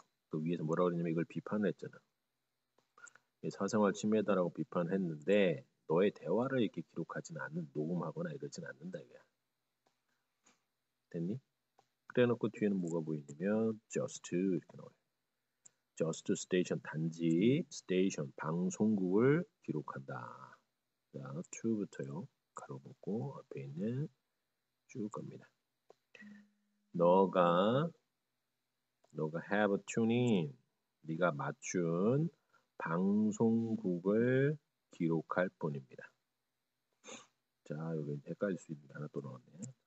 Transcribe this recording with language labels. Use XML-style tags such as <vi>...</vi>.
<ko>그 위에서 뭐라고 했냐면 이걸 비판했잖아. 사생활 침해다라고 비판했는데 너의 대화를 이렇게 기록하진 않는 녹음하거나 이러진 않는다 이거야. 됐니? 그래놓고 뒤에는 뭐가 보이냐면 just 이렇게 나와요. just station 단지 station 방송국을 기록한다. 자, to부터요. 가로묻고 앞에 있는 쭉 갑니다. 너가</ko> <en>have a tune in.</en> <ko>네가 맞춘 방송국을 기록할 뿐입니다. 자, 여기 헷갈릴 수 있는데 하나 또 나왔네요.</ko>